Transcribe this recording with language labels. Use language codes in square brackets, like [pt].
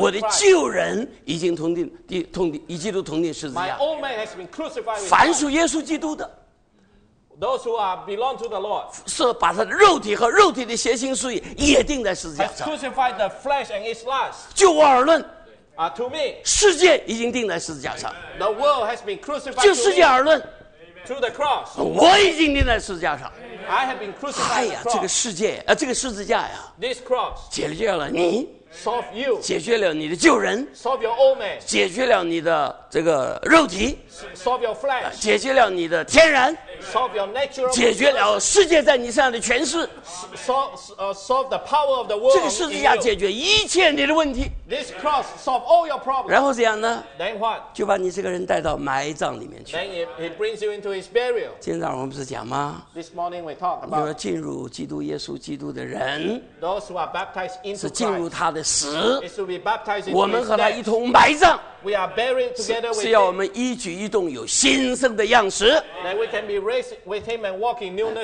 [zh] 我的旧人已经同钉与基督同钉十字架。 [en] My old man has been crucified with Christ. [zh] 凡属耶稣基督的 [en] ，those who are belong to the Lord, [zh] 是把他的肉体和肉体的邪情私欲也钉在十字架上。 [en] Has crucified the flesh and its lust. [zh] 就我而论。 [en] To me, [zh] 世界已经钉在十字架上。 [en] The world has been crucified. [zh] 就世界而论。 [en] Through the cross, [zh] 我已经钉在十字架上。 [en] I have been crucified. [zh] 哎呀，这个世界，这个十字架呀 [en] ，this cross [zh] 解决了你 [en] ，solve you [zh] 解决了你的旧人 [en] ，solve your old man [zh] 解决了你的这个肉体 [en] ，solve your flesh [zh] 解决了你的天然 [en] ，solve your natural [zh] 解决了世界在你身上的权势 [en] ，solve the power of the world. [zh] 这个十字架解决一切你的问题 [en] ，this cross solve all your problems. [zh] 然后怎样呢 [en] ？Then what [zh] 就把你这个人带到埋葬里面去。 [en] Then he brings you into his burial. [zh] 今天早上我们不是讲吗 [en] ？This morning we talk about. [zh] 要进入基督耶稣基督的人 [en] ，those who are baptized into Christ [zh] 是进入他的死 [en] ，is to be baptized into. [zh] 我们和他一同埋葬。 [en] We are buried together with him. [zh] 是要我们一举一动有新生的样式。 [en] That we can be raised with him and walk in newness.